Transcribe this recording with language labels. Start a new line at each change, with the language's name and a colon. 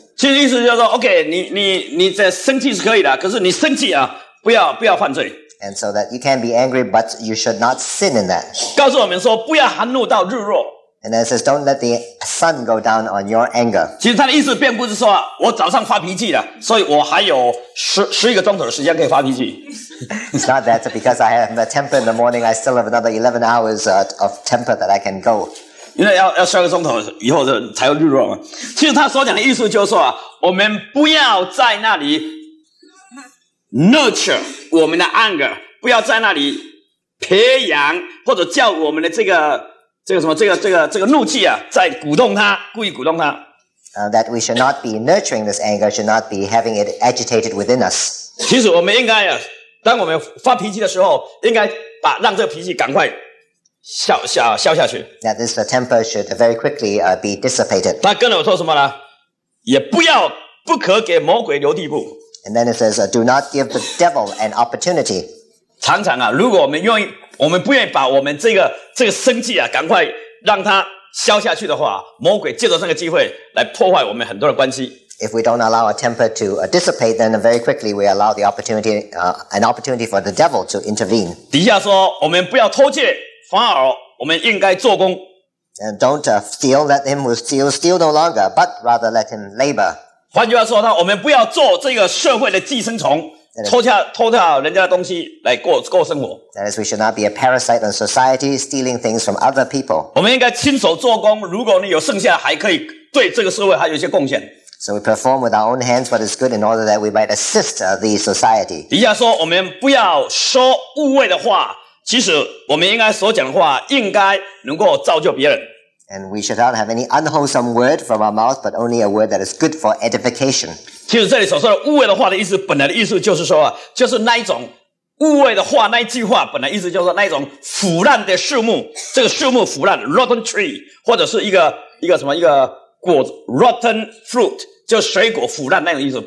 Chinese: 其实意思就是说 ，OK， 你这生气是可以的，可是你生气啊，不要犯罪。
English: And so that you can be angry, but you should not sin in that.
Chinese: 告诉我们说，不要含怒到日落。
English: And then it says, don't let the sun go down on your anger.
Chinese: 其实他的意思并不是说我早上发脾气了，所以我还有十一个钟头的时间可以发脾气。
English: It's not that because I have a temper in the morning, I still have another 11 hours of temper that I can go.
Chinese: 因为要十二个钟头以后才有日落嘛。其实他所讲的意思就是说，我们不要在那里 nurture 我们的 anger， 不要在那里培养或者叫我们的这个什么？这个怒气啊，在鼓动他，故意鼓动他。
English: That we should not be nurturing this anger, should not be having it agitated within us.
Chinese: 其实我们应该啊，当我们发脾气的时候，应该把让这个脾气赶快消下去。
English: That this temper should very quickly be dissipated.
Chinese: 那跟着我说什么呢？也不要不可给魔鬼留地步。
English: And then it says, do not give the devil an opportunity.
Chinese: 常常啊，如果我们愿意，我们不愿意把我们这个生气啊，赶快让它消下去的话，魔鬼借着这个机会来破坏我们很多的关系。
English: If we don't allow our temper to dissipate, then very quickly we allow the opportunity, an opportunity for the devil to intervene.
Chinese: 底下说，我们不要偷窃，反而我们应该做工。
English: And don't steal, let him who steals steal no longer, but rather let him labor.
Chinese: 换句话说，我们不要做这个社会的寄生虫，偷掉人家的东西来过生活。
English: That is, we should not be a parasite on society, stealing things from other people.
Chinese: 我们应该亲手做工，如果你有剩下，还可以对这个社会还有一些贡献。
English: So we perform with our own hands what is good in order that we might assist the society.
Chinese: 底下说，我们不要说污秽的话，其实我们应该所讲的话应该能够造就别人。
English: And we should not have any unwholesome word from our mouth, but only a word that is good for edification.
Chinese: 其实这里所说的污秽的话的意思，本来的意思就是说，就是那一种污秽的话，那一句话本来意思就是说那一种腐烂的树木，这个树木腐烂 ，
English: rotten tree，
Chinese: 或者是一个什么一个果
English: rotten fruit，
Chinese: 就是水果腐烂那种意思。